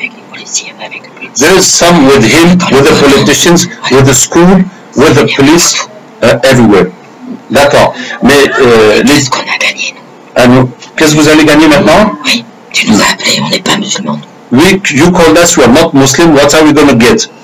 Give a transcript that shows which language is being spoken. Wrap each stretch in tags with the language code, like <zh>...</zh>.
<en>There's some with him, with the politicians, with the school, with the police, everywhere.</en> <fr>D'accord. Mais qu'est-ce qu'on a gagné? Qu'est-ce que vous allez gagner maintenant? Oui, tu nous as appelés, on n'est pas musulmans.</fr> <en>We, you called us, we are not Muslim, what are we going to get?</en>